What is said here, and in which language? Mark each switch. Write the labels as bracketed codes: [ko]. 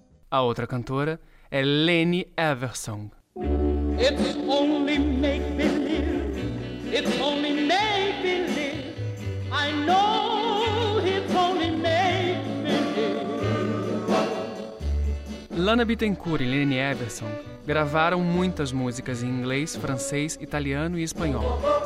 [pt] A outra cantora é Leni Everson. [en] It's only make believe, it's only make believe. I know it's only make believe. [pt] Lana Bittencourt e Leni Everson gravaram muitas músicas em inglês, francês, italiano e espanhol.